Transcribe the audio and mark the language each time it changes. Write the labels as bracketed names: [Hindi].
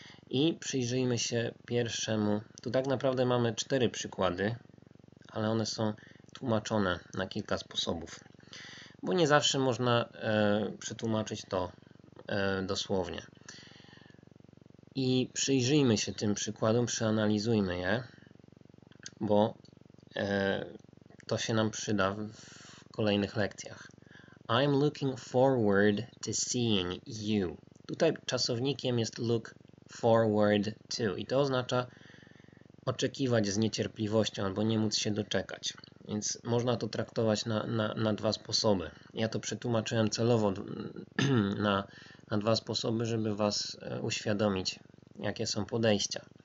[Polish] I przyjrzyjmy się pierwszemu. Tu tak naprawdę mamy cztery przykłady, ale one są tłumaczone na kilka sposobów, bo nie zawsze można przetłumaczyć to dosłownie. I przyjrzyjmy się tym przykładom, przeanalizujmy je, bo to się nam przyda w kolejnych lekcjach. [English] I'm looking forward to seeing you. [Polish] Tutaj czasownikiem jest look forward to. I to oznacza oczekiwać z niecierpliwością albo nie móc się doczekać. Więc można to traktować na dwa sposoby. Ja to przetłumaczyłem celowo na dwa sposoby, żeby was uświadomić, jakie są podejścia.